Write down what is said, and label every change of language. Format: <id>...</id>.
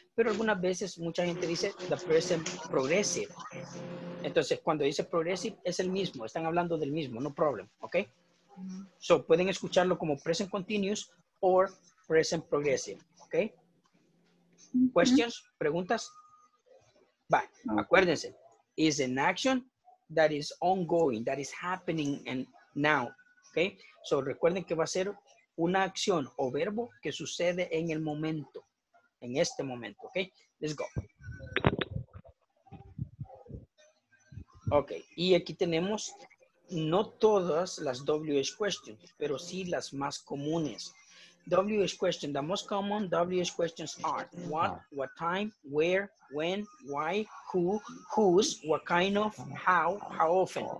<es>Pero algunas veces mucha gente dice</es> <en>the present progressive.</en> <es>Entonces, cuando dice progressive, es el mismo, están hablando del mismo,</es> <en>no problem,</en> <es>¿ok?</es> <en>So,</en> <es>pueden escucharlo como</es> <en>present continuous or present progressive, ¿ok? Questions,</en> <es>preguntas.</es> <en>But</en> <es>acuérdense,</es> <en>is an action that is ongoing, that is happening and now. Okay.</en> <es>So recuerden que va a ser una acción o verbo que sucede en el momento, en este momento. Okay.</es> <en>Let's go.</en> <es>Okay. Y aquí tenemos no todas las WH questions, pero sí las más comunes.</es> <en>WH questions, the most common WH questions are what, what time, where, when, why, who, whose, what kind of, how often.</en>